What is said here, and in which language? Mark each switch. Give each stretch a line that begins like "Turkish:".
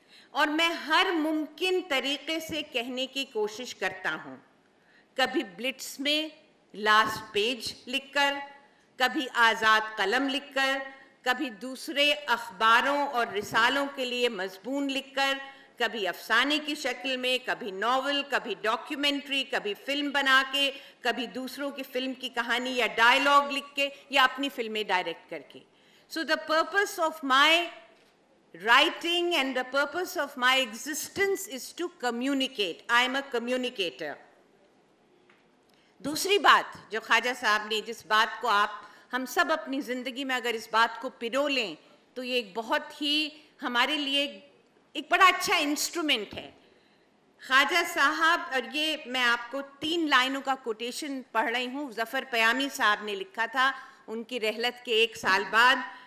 Urdu: اور میں ہر ممکن طریقے سے کہنے کی کوشش کرتا ہوں، کبھی بلٹس میں لاسٹ پیج لکھ کر، کبھی آزاد قلم لکھ کر، کبھی دوسرے اخباروں اور رسالوں کے لیے مضمون لکھ کر، کبھی افسانے کی شکل میں، کبھی ناول، کبھی ڈاکیومنٹری، کبھی فلم بنا کے، کبھی دوسروں کی فلم کی کہانی یا ڈائیلاگ لکھ کے، یا اپنی فلمیں ڈائریکٹ کر کے.
English: So the purpose of my writing and the purpose of my existence is to communicate, I am a communicator.
Urdu: دوسری بات جو خواجہ صاحب نے، جس بات کو آپ ہم سب اپنی زندگی میں اگر اس بات کو پرو لیں تو یہ ایک بہت ہی ہمارے لیے ایک بڑا اچھا انسٹرومنٹ ہے. خواجہ صاحب، اور یہ میں آپ کو تین لائنوں کا کوٹیشن پڑھ رہی ہوں، ظفر پیامی صاحب نے لکھا تھا ان کی رحلت کے ایک سال بعد.